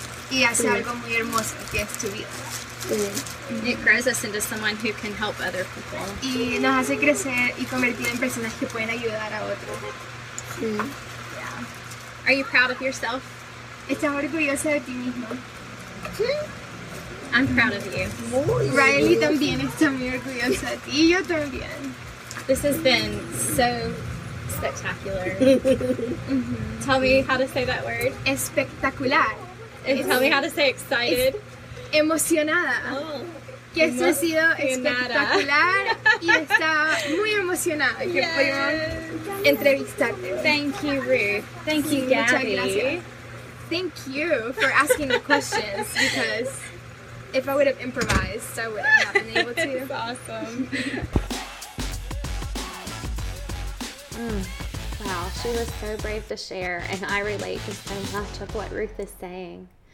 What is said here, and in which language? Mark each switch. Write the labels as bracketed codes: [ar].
[es] Y hace algo muy hermoso, que es tu vida. [en] It grows us into someone who can help other people. [es] Y nos hace crecer y convertir en personas que pueden ayudar a otros. [en] Yeah. Are you proud of yourself? [es] ¿Estás orgullosa de ti mismo? [en] I'm proud of you. [es] Riley también está muy orgullosa de ti. Y yo también. [en] This has been so spectacular. Tell me how to say that word. [es] Espectacular. [en] And tell me how to say excited. [es] Emocionada. Oh. Que esto ha sido espectacular y estaba muy emocionada que pudimos entrevistarte. [en] Thank you, Ruth. Thank you, Gabby. [es] Muchas gracias. [en] Thank you for asking the questions, because if I would have improvised, I wouldn't have been able to. That's awesome. Wow, she was so brave to share, and I relate to so much of what Ruth is saying.